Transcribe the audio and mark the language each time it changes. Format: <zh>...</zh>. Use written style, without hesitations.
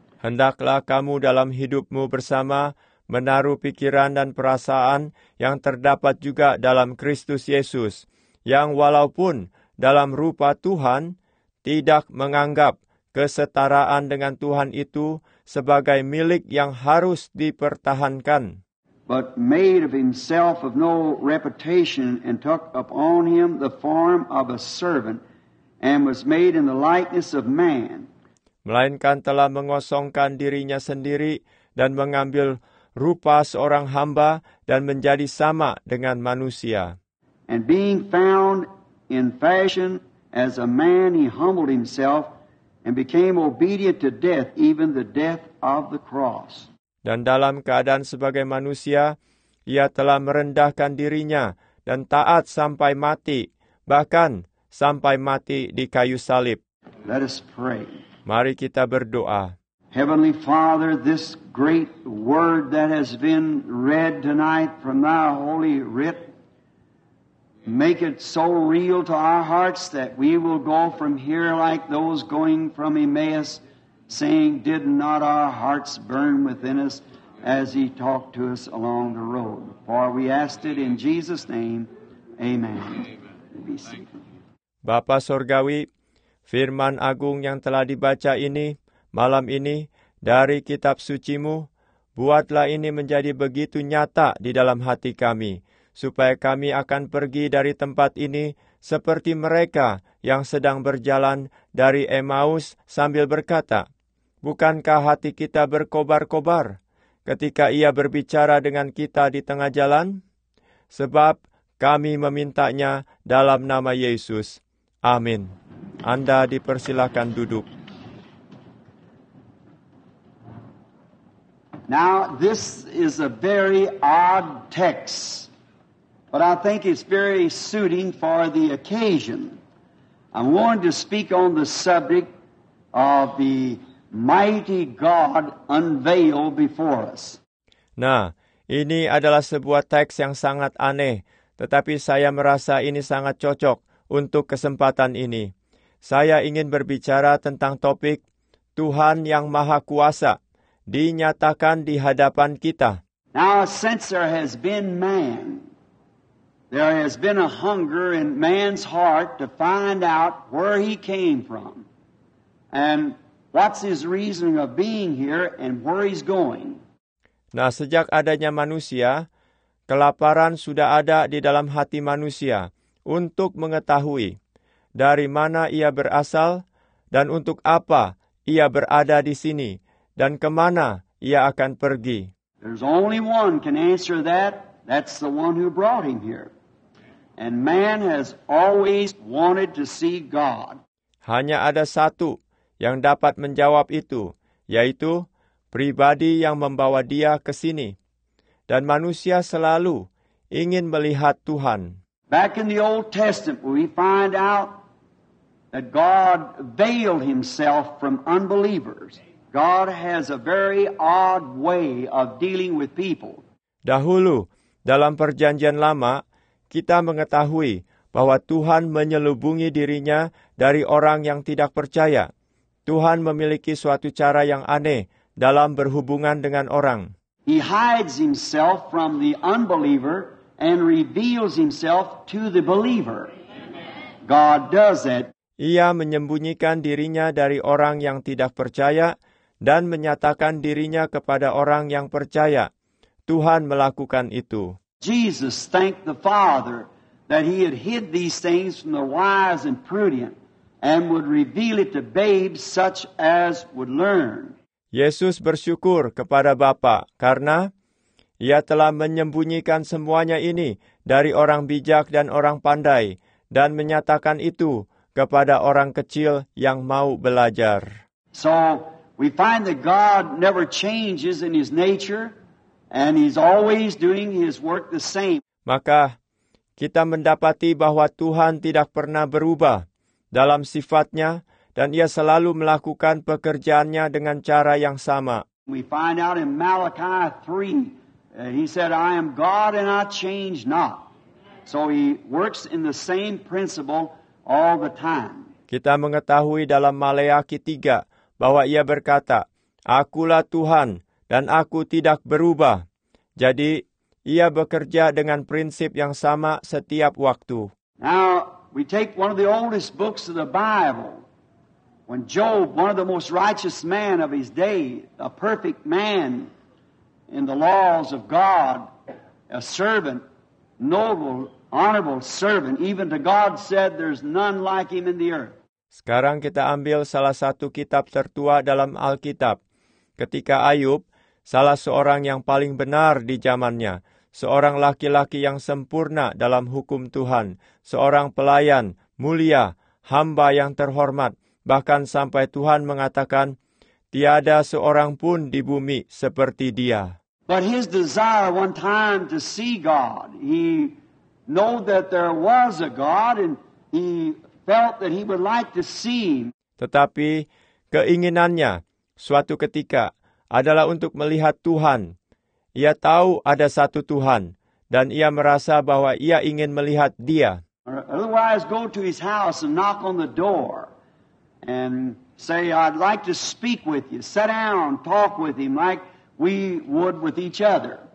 <id>Hendaklah kamu dalam hidupmu bersama menaruh pikiran dan perasaan yang terdapat juga dalam Kristus Yesus, yang walaupun dalam rupa Tuhan, tidak menganggap kesetaraan dengan Tuhan itu sebagai milik yang harus dipertahankan.</id> <en>But made of himself of no reputation and took upon him the form of a servant and was made in the likeness of man.</en> <id>Melainkan telah mengosongkan dirinya sendiri dan mengambil rupa seorang hamba dan menjadi sama dengan manusia.</id> <en>And being found in fashion as a man, he humbled himself and became obedient to death, even the death of the cross.</en> <id>Dan dalam keadaan sebagai manusia, ia telah merendahkan dirinya dan taat sampai mati, bahkan sampai mati di kayu salib.</id> <en>Let us pray.</en> <id>Mari kita berdoa.</id> <en>Heavenly Father, this great word that has been read tonight from Thy Holy Writ, make it so real to our hearts that we will go from here like those going from Emmaus, saying, did not our hearts burn within us as He talked to us along the road? For we asked it in Jesus' name. Amen. Be seated.</en> <id>Bapa Sorgawi, firman agung yang telah dibaca ini, malam ini, dari kitab sucimu, buatlah ini menjadi begitu nyata di dalam hati kami, supaya kami akan pergi dari tempat ini seperti mereka yang sedang berjalan dari Emmaus sambil berkata, bukankah hati kita berkobar-kobar ketika ia berbicara dengan kita di tengah jalan? Sebab kami memintanya dalam nama Yesus. Amin. Anda dipersilakan duduk.</id> <en>Now this is a very odd text, but I think it's very suiting for the occasion. I'm going to speak on the subject of the mighty God unveiled before us.</en> <id>Nah, ini adalah sebuah teks yang sangat aneh, tetapi saya merasa ini sangat cocok untuk kesempatan ini. Saya ingin berbicara tentang topik Tuhan yang Maha Kuasa dinyatakan di hadapan kita.</id> <en>Now, since there has been man, there has been a hunger in man's heart to find out where he came from and what's his reason of being here and where he's going.</en> <id>Nah, sejak adanya manusia, kelaparan sudah ada di dalam hati manusia untuk mengetahui dari mana ia berasal dan untuk apa ia berada di sini dan kemana ia akan pergi.</id> <en>There's only one can answer that. That's the one who brought him here. And man has always wanted to see God.</en> <id>Hanya ada satu yang dapat menjawab itu, yaitu pribadi yang membawa dia ke sini. Dan manusia selalu ingin melihat Tuhan.</id> <en>Back in the Old Testament, we find out that God veiled himself from unbelievers. God has a very odd way of dealing with people.</en> <id>Dahulu, dalam Perjanjian Lama, kita mengetahui bahwa Tuhan menyelubungi dirinya dari orang yang tidak percaya. Tuhan memiliki suatu cara yang aneh dalam berhubungan dengan orang.</id> <en>He hides himself from the unbeliever and reveals himself to the believer. God does it.</en> <id>Ia menyembunyikan dirinya dari orang yang tidak percaya dan menyatakan dirinya kepada orang yang percaya. Tuhan melakukan itu.</id> <en>Jesus thanked the Father that he had hid these things from the wise and prudent and would reveal it to babes such as would learn.</en> <id>Yesus bersyukur kepada Bapa karena ia telah menyembunyikan semuanya ini dari orang bijak dan orang pandai dan menyatakan itu kepada orang kecil yang mau belajar.</id> <en>So we find that God never changes in his nature and he's always doing his work the same.</en> <id>Maka kita mendapati bahwa Tuhan tidak pernah berubah dalam sifatnya dan ia selalu melakukan pekerjaannya dengan cara yang sama.</id> <en>We find out in Malachi 3 that he said, I am God and I change not. So he works in the same principle all the time.</en> <id>Kita mengetahui dalam Maleakhi 3 bahwa ia berkata, Akulah Tuhan dan aku tidak berubah. Jadi ia bekerja dengan prinsip yang sama setiap waktu.</id> <en>Now we take one of the oldest books of the Bible. When Job, one of the most righteous men of his day, a perfect man in the laws of God, a servant, noble, honorable servant, even to God said there's none like him in the earth.</en> <id>Sekarang kita ambil salah satu kitab tertua dalam Alkitab. Ketika Ayub, salah seorang yang paling benar di zamannya, seorang laki-laki yang sempurna dalam hukum Tuhan, seorang pelayan, mulia, hamba yang terhormat, bahkan sampai Tuhan mengatakan, tiada seorang pun di bumi seperti dia.</id> <en>But his desire one time to see God, he knew that there was a God and he felt that he would like to see him.</en> <id>Tetapi keinginannya suatu ketika adalah untuk melihat Tuhan. Ia tahu ada satu Tuhan dan ia merasa bahwa ia ingin melihat Dia.</id> <en>Otherwise go to his house and knock on the door and say I'd like to speak with you. Sit down, talk with him like we would with each other.</en>